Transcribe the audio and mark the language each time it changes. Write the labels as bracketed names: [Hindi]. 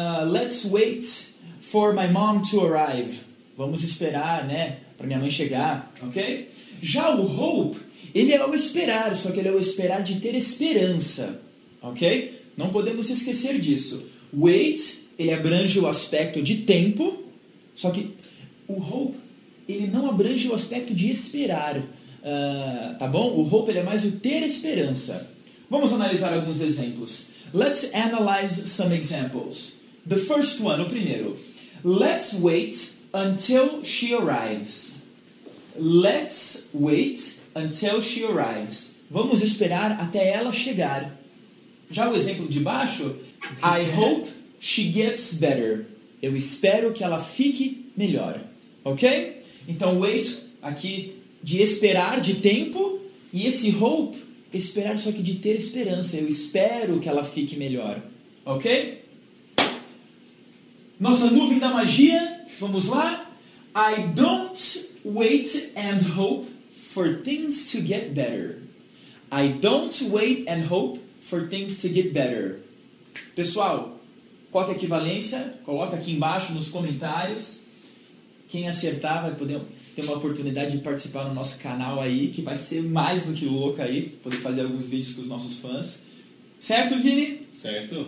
[English] Let's wait for my mom to arrive. [Portuguese] Vamos esperar, né? Para minha mãe chegar, ok? Já o hope, ele é o esperar, só que ele é o esperar de ter esperança, ok? Não podemos esquecer disso. Wait, ele abrange o aspecto de tempo, só que o hope, ele não abrange o aspecto de esperar, tá bom? O hope, ele é mais o ter esperança. Vamos analisar alguns exemplos. [English] Let's analyze some examples. The first one, [Portuguese] o primeiro. [English] Let's wait until she arrives. Let's wait until she arrives. [Portuguese] Vamos esperar até ela chegar. Já o exemplo de baixo. [English] I hope she gets better. [Portuguese] Eu espero que ela fique melhor. Ok? Então, wait aqui de esperar de tempo. E esse hope, esperar só que de ter esperança. Eu espero que ela fique melhor. Ok? Nossa nuvem da magia. Vamos lá? [English] I don't wait and hope for things to get better. I don't wait and hope for things to get better. [Portuguese] Pessoal, qual que é a equivalência? Coloca aqui embaixo nos comentários. Quem acertar vai poder ter uma oportunidade de participar no nosso canal aí, que vai ser mais do que louco aí, poder fazer alguns vídeos com os nossos fãs. Certo, Vini? Certo.